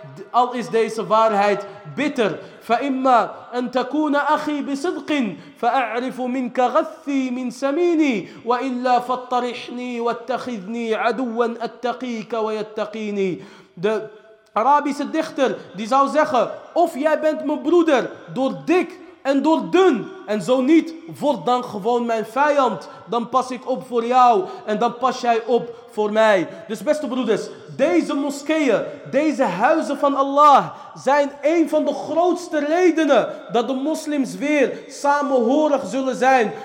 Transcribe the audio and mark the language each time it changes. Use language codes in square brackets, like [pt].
[nl] Al is deze waarheid bitter. [ar] فإما أن تكون أخي بصدق فأعرف منك غثي من سميني وإلا فاطرحني واتخذني عدوا أتقيك ويتقيني. [nl] De Arabische dichter die zou zeggen, of jij bent mijn broeder door dik en door dun, en zo niet, word dan gewoon mijn vijand. Dan pas ik op voor jou en dan pas jij op voor mij. Dus beste broeders, deze moskeeën, deze huizen van Allah zijn een van de grootste redenen dat de moslims weer samenhorig zullen zijn.